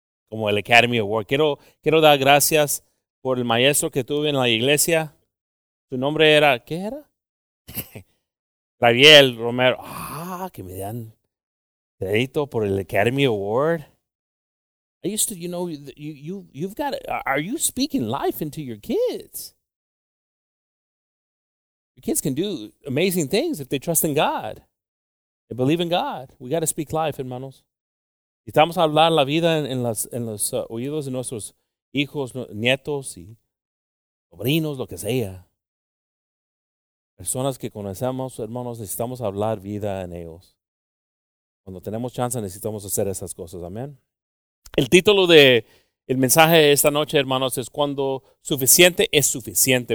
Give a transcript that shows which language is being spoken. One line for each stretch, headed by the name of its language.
Spanish: Como el Academy Award. Quiero dar gracias por el maestro que tuve en la iglesia. Su nombre era, ¿qué era? Gabriel Romero. Que me dan crédito por el Academy Award.
English: I used to, you know, you've got, are you speaking life into your kids? Your kids can do amazing things if they trust in God. They believe in God. We got to speak life, hermanos.
Spanish: Estamos a hablar la vida en los oídos de nuestros hijos, nietos y sobrinos, lo que sea. Personas que conocemos, hermanos, necesitamos hablar vida en ellos. Cuando tenemos chance, necesitamos hacer esas cosas. Amén. El título del mensaje de esta noche, hermanos, es cuando suficiente es suficiente.